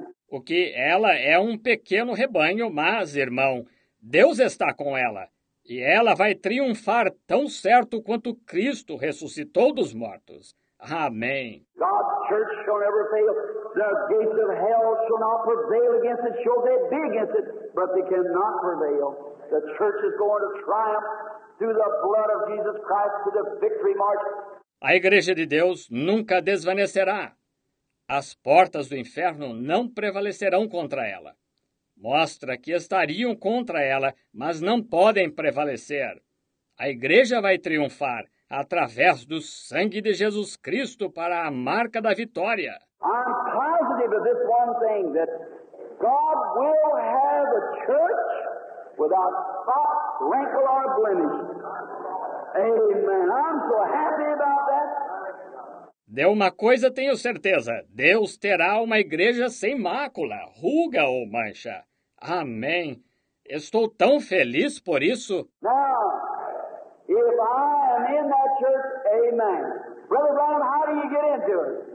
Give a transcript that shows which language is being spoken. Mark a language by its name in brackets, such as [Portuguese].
[Portuguese] O que ela é um pequeno rebanho, mas, irmão, Deus está com ela. E ela vai triunfar tão certo quanto Cristo ressuscitou dos mortos. Amém. [English] God's church shall never fail. The gates of hell shall not prevail against it. Shall they be against it, but they cannot prevail. The church is going to triumph through the blood of Jesus Christ to the victory march. [Portuguese] A igreja de Deus nunca desvanecerá. As portas do inferno não prevalecerão contra ela. Mostra que estariam contra ela, mas não podem prevalecer. A igreja vai triunfar através do sangue de Jesus Cristo para a marca da vitória. [English] I'm positive of this one thing, that God will have a church without spot, wrinkle or blemish. Amen. I'm so happy about that. [Portuguese] De uma coisa tenho certeza, Deus terá uma igreja sem mácula, ruga ou mancha. Amém. Estou tão feliz por isso. [English] Now, if I am in that church, amen. Brother Brown, how do you get into it?